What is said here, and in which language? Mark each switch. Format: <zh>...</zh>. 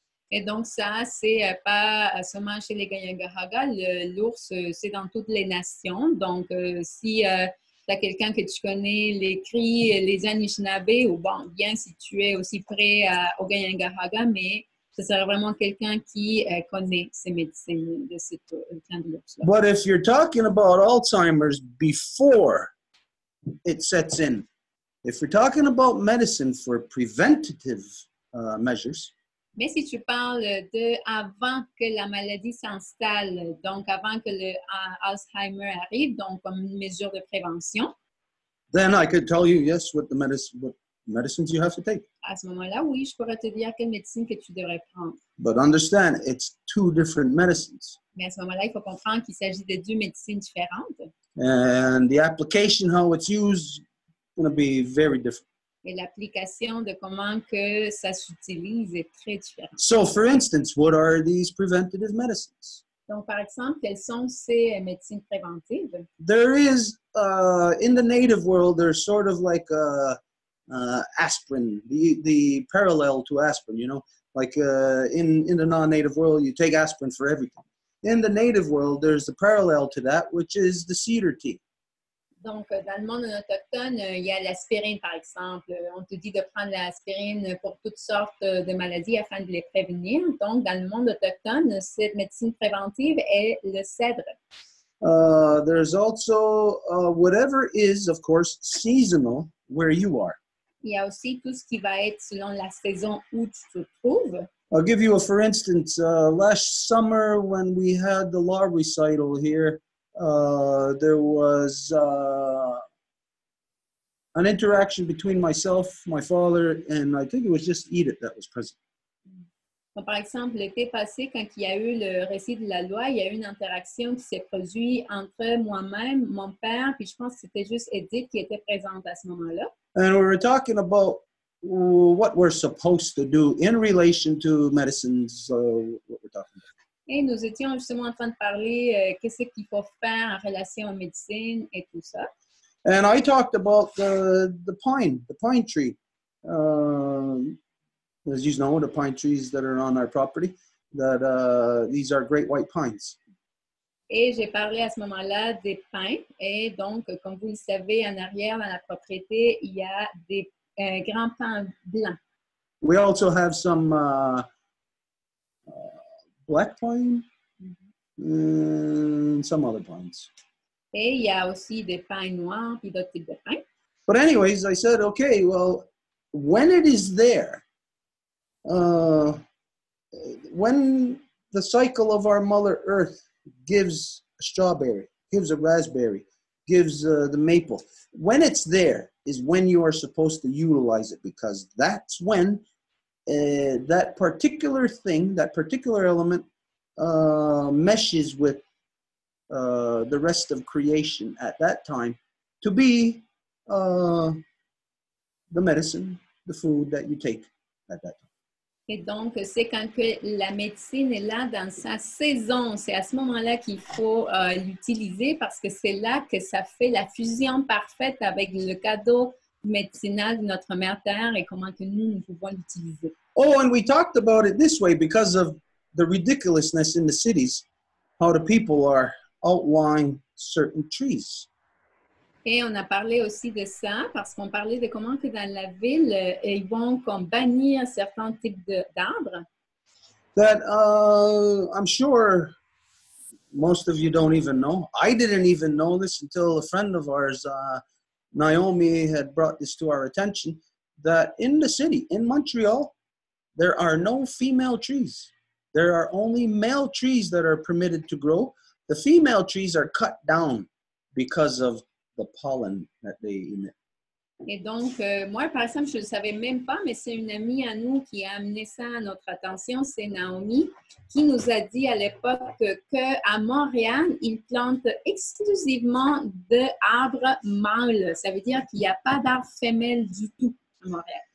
<fr>Et donc ça, c'est pas seulement chez les Ganyangahaga. L'ours, c'est dans toutes les nations. Donc, si t'as quelqu'un que tu connais, les Cree, les Anishinaabe, ou bon, bien si tu es aussi près au Ganyangahaga, mais... Ce serait vraiment quelqu'un qui connaît ces médecines de cette clan de l'ours.</fr> <en>But if you're talking about Alzheimer's before it sets in, if you're talking about medicine for preventative measures,</en> <fr>mais si tu parles de avant que la maladie s'installe, donc avant que le Alzheimer arrive, donc comme une mesure de prévention,</fr> <en>then I could tell you yes what the medicine what medicines you have to take.</en> <fr>À ce moment-là, oui, je pourrais te dire quelle médecine que tu devrais prendre.</fr> <en>But understand, it's two different medicines.</en> <fr>Mais à ce moment-là, il faut comprendre qu'il s'agit de deux médecines différentes.</fr> <en>And the application, how it's used, is going to be very different.</en> <fr>Et l'application de comment que ça s'utilise est très différente.</fr> <en>So, for instance, what are these preventative medicines?</en> <fr>Donc, par exemple, quelles sont ces médecines préventives?</fr> <en>There is, in the native world, there's sort of like a aspirin, the parallel to aspirin, you know, like in the non-native world, you take aspirin for everything. In the native world, there's the parallel to that, which is the cedar tea.</en> <fr>Donc, dans le monde autochtone, il y a l'aspirine, par exemple. On te dit de prendre l'aspirine pour toutes sortes de maladies afin de les prévenir. Donc, dans le monde autochtone, cette médecine préventive est le cèdre.</fr> <en>There's also whatever is, of course, seasonal where you are.</en> <fr>Il y a aussi tout ce qui va être selon la saison où tu te trouves.</fr> <en>I'll give you a for instance. Last summer, when we had the law recital here, there was an interaction between myself, my father, and I think it was just Edith that was present.</en> <fr>Donc, par exemple, l'été passé, quand il y a eu le récit de la loi, il y a eu une interaction qui s'est produite entre moi-même, mon père, puis je pense que c'était juste Edith qui était présente à ce moment-là.</fr> <en>And we were talking about what we're supposed to do in relation to medicines, what we're talking about.</en> <fr>Et nous étions justement en train de parler qu'est-ce qu'il faut faire en relation aux médecines et tout ça.</fr> <en>And I talked about the pine tree. As you know, the pine trees that are on our property, that these are great white pines.</en> <fr>Et j'ai parlé à ce moment-là des pins. Et donc, comme vous le savez, en arrière, dans la propriété, il y a des grands pins blancs.</fr> <en>We also have some black pine and some other pines.</en> <fr>Et il y a aussi des pins noirs et d'autres types de pins.</fr> <en>But anyways, I said, okay, well, when it is there, when the cycle of our Mother Earth gives a strawberry, gives a raspberry, gives the maple. When it's there is when you are supposed to utilize it because that's when that particular thing, that particular element meshes with the rest of creation at that time to be the medicine, the food that you take at that time.</en> <fr>Et donc, c'est quand que la médecine est là dans sa saison. C'est à ce moment-là qu'il faut l'utiliser parce que c'est là que ça fait la fusion parfaite avec le cadeau médecinal de notre Mère Terre et comment que nous, nous pouvons l'utiliser.</fr> <en>Oh, and we talked about it this way because of the ridiculousness in the cities, how the people are outlawing certain trees.</en> <fr>Et on a parlé aussi de ça parce qu'on parlait de comment que dans la ville ils vont comme bannir certains types d'arbres.</fr> <en>That I'm sure most of you don't even know. I didn't even know this until a friend of ours, Naomi, had brought this to our attention. That in the city, in Montreal, there are no female trees. There are only male trees that are permitted to grow. The female trees are cut down because of the pollen that they emit.</en> <fr>Et donc, moi, par exemple, je ne savais même pas, mais c'est une amie à nous qui a amené ça à notre attention, c'est Naomi, qui nous a dit à l'époque qu'à Montréal, ils plantent exclusivement d'arbres mâles. Ça veut dire qu'il n'y a pas d'arbres femelles du tout à Montréal.</fr>